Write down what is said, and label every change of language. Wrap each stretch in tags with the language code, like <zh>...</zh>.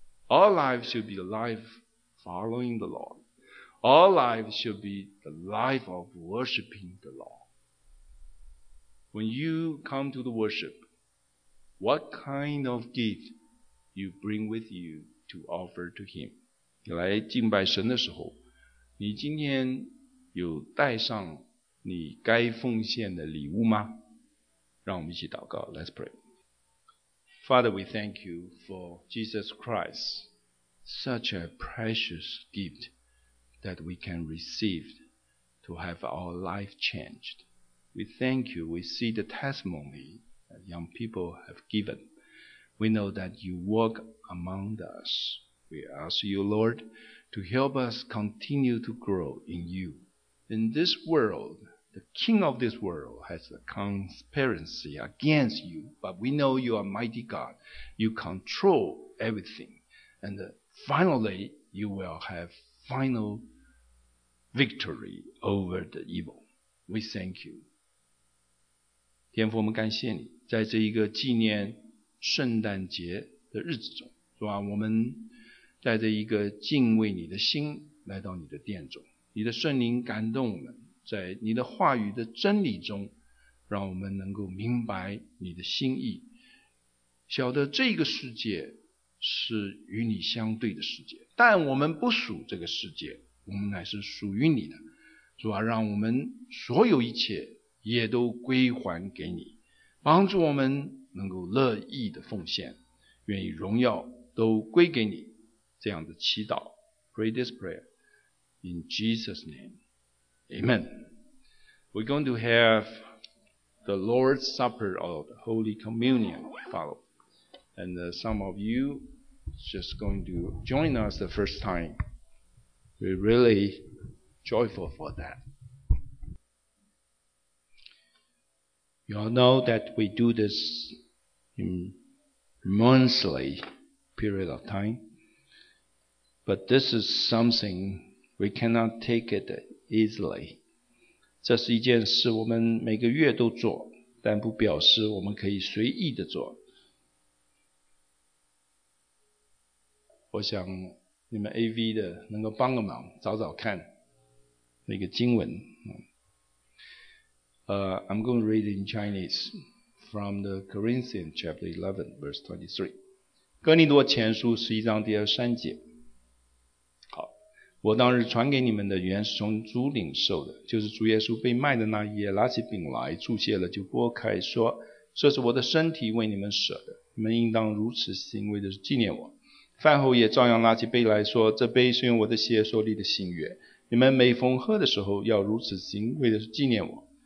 <en>Our life should be a life following the Lord. Our life should be the life of worshiping the Lord. When you come to the worship, what kind of gift you bring with you to offer to Him?</en> <zh>你来敬拜神的时候，你今天有带上你该奉献的礼物吗？让我们一起祷告。</zh> <en>Let's pray. Father, we thank you for Jesus Christ, such a precious gift that we can receive to have our life changed. We thank you. We see the testimony that young people have given. We know that you work among us. We ask you, Lord,to help us continue to grow in you. In this world, the king of this world has a conspiracy against you, but we know you are mighty God. You control everything. And finally, you will have final victory over the evil. We thank you.</en> <zh>天父，我们感谢你，在这一个纪念圣诞节的日子中，是吧，我们带着一个敬畏你的心来到你的殿中，你的圣灵感动我们，在你的话语的真理中，让我们能够明白你的心意，晓得这个世界是与你相对的世界，但我们不属这个世界，我们乃是属于你的。主啊，让我们所有一切也都归还给你，帮助我们能够乐意的奉献，愿意荣耀都归给你，这样的祈祷。</zh> <en>Pray this prayer in Jesus' name. Amen. We're going to have the Lord's Supper or the Holy Communion follow. And some of you just going to join us the first time. We're really joyful for that. You all know that we do this in monthly period of time. But this is something we cannot take it easily.</en> <zh>这是一件事我们每个月都做，但不表示我们可以随意的做。我想你们 AV 的能够帮个忙，找找看那个经文。</zh> <en>I'm going to read in Chinese from the Corinthians chapter 11, verse 23.</en> <zh>哥林多前书11章第23节。好，我当日传给你们的原是从主领受的，就是主耶稣被卖的那夜，拿起饼来，祝谢了，就拨开说，这是我的身体为你们舍的，你们应当如此行，为的是纪念我。饭后也照样拿起杯来说，这杯是用我的血所立的新约，你们每逢喝的时候要如此行，为的是纪念我。</zh>